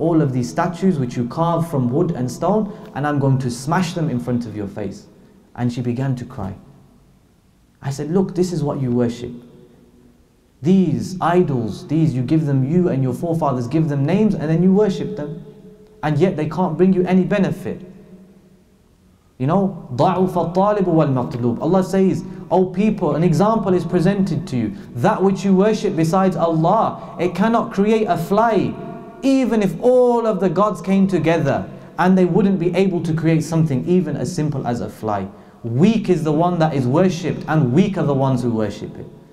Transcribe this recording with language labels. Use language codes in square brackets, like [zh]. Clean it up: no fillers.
[en] All of these statues which you carve from wood and stone. And I'm going to smash them in front of your face. And she began to cry. I said, look, this is what you worship. These idols, these you give them, you and your forefathers give them names and then you worship them. And yet they can't bring you any benefit. You know, [ar] ضَعُفَ الطَّالِبُ وَالْمَطْلُوبُ. [en] Allah says, O people, an example is presented to you. That which you worship besides Allah, it cannot create a fly even if all of the gods came together and they wouldn't be able to create something even as simple as a fly. Weak is the one that is worshipped, and weak are the ones who worship it.